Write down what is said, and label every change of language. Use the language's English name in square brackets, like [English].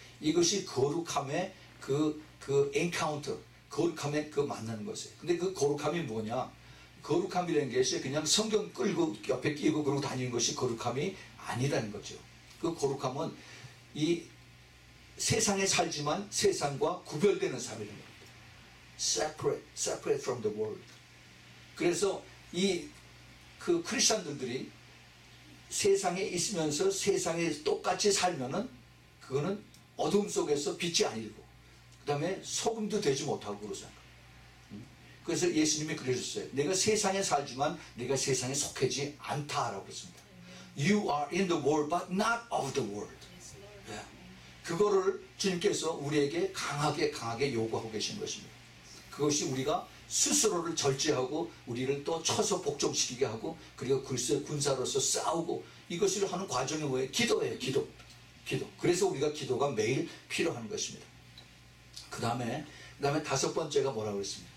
[Korean] 이것이 거룩함의 그 엔카운터, 거룩함의 그 만나는 것이에요. 근데 그 거룩함이 뭐냐? 거룩함이라는 것이 그냥 성경 끌고 옆에 끼고 그러고 다니는 것이 거룩함이 아니라는 거죠. 그 거룩함은 이 세상에 살지만 세상과 구별되는 삶이라는 겁니다. [English] Separate from the world. [Korean] 그래서 이 그 크리스천들이 세상에 있으면서 세상에 똑같이 살면은 그거는 어둠 속에서 빛이 아니고 그 다음에 소금도 되지 못하고 그러잖아요. 그래서 예수님이 그러셨어요. 내가 세상에 살지만 내가 세상에 속하지 않다라고 했습니다. [English] You are in the world but not of the world. [Korean] 네. 그거를 주님께서 우리에게 강하게 요구하고 계신 것입니다. 그것이 우리가 스스로를 절제하고 우리를 또 쳐서 복종시키게 하고 그리고 그리스도의 군사로서 싸우고 이것을 하는 과정이 뭐예요? 기도예요. 기도. 그래서 우리가 기도가 매일 필요한 것입니다. 그 다음에 다섯 번째가 뭐라고 그랬습니다.